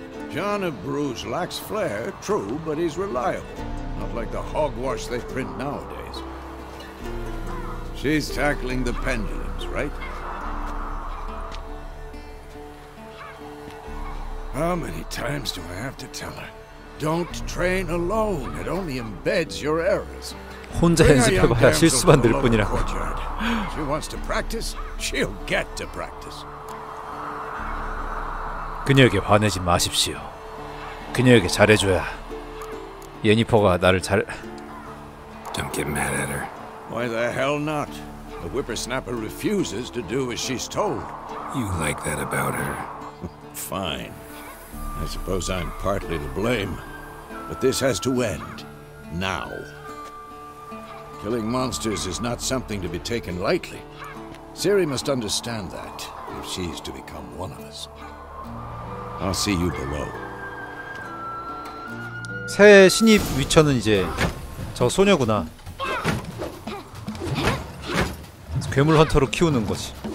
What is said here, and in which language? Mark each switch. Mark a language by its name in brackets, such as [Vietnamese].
[English] John of Bruges lacks flair, true, but he's reliable. Not like the hogwash they print nowadays. She's tackling the pendulums, right? How many times do I have to tell her? Don't train alone. It only embeds your errors. [Korean] 혼자 연습해봐야 실수만 늘 뿐이라고. [English] She wants to practice. She'll get to practice. [Korean] 그녀에게 화내지 마십시오. 그녀에게 잘해줘야 예니퍼가 나를 잘. [English] Don't get mad at her. Why the hell not? The whippersnapper refuses to do as she's told. You like that about her? Fine. I suppose I'm partly to blame, but this has to end now. Killing monsters is not something to be taken lightly. Ciri must understand that if she's to become one of us. I'll see you below. [Korean] 새 신입 위쳐는 이제 저 소녀구나. 괴물 헌터로 키우는 거지.